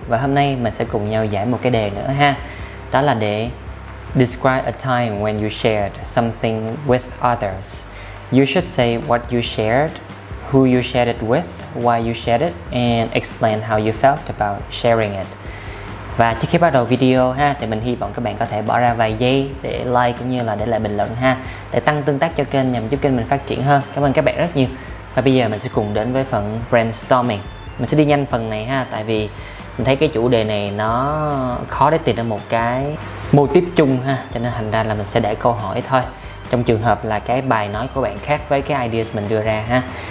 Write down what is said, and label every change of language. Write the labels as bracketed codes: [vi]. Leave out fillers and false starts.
[vi] Và hôm nay mình sẽ cùng nhau giải một cái đề nữa ha. Đó là đề [en] describe a time when you shared something with others. You should say what you shared, who you shared it with, why you shared it, and explain how you felt about sharing it. [vi] Và trước khi bắt đầu video ha, thì mình hy vọng các bạn có thể bỏ ra vài giây để like cũng như là để lại bình luận ha, để tăng tương tác cho kênh nhằm giúp kênh mình phát triển hơn. Cảm ơn các bạn rất nhiều. Và bây giờ mình sẽ cùng đến với phần brainstorming. Mình sẽ đi nhanh phần này ha, tại vì mình thấy cái chủ đề này nó khó để tìm ra một cái mô típ chung ha, cho nên thành ra là mình sẽ để câu hỏi thôi, trong trường hợp là cái bài nói của bạn khác với cái ideas mình đưa ra ha.